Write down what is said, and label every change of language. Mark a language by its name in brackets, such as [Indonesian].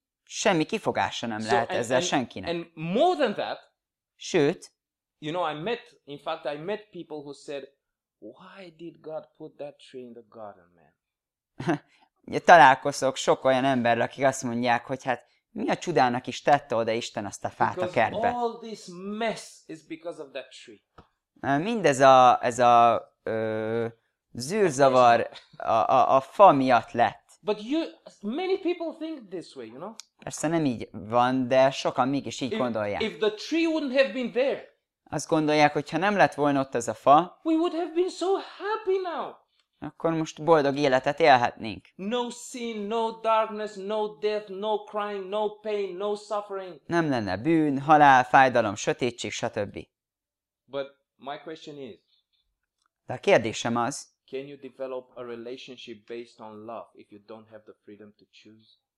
[Hungarian] Semmi kifogása nem lehet ezzel senkinek. [English] And more than that, [Hungarian] sőt, [English] you know, I met people who said, why did God put that tree in the garden, man? [Hungarian] Találkozok sok olyan emberrel, akik azt mondják, hogy hát mi a csodának is tette oda Isten azt a fát a kertbe. [English] Because all this mess is because of that tree. [Hungarian] Mindez ez a zűrzavar a fa miatt lett. [English] But you, many people think this way, you know? [Hungarian] Persze nem így van, de sokan mégis így gondolják. [English] If the tree wouldn't have been there, [Hungarian] azt gondolják, hogy ha nem lett volna ott ez a fa, [English] we would have been so happy now. [Hungarian] Akkor most boldog életet élhetnénk. [English] No sin, no darkness, no death, no crying, no pain, no suffering. [Hungarian] Nem lenne bűn, halál, fájdalom, sötétség, stb. [English] But my question is, [Hungarian] de a kérdésem az, [English] can you develop a relationship based on love if you don't have the freedom to choose?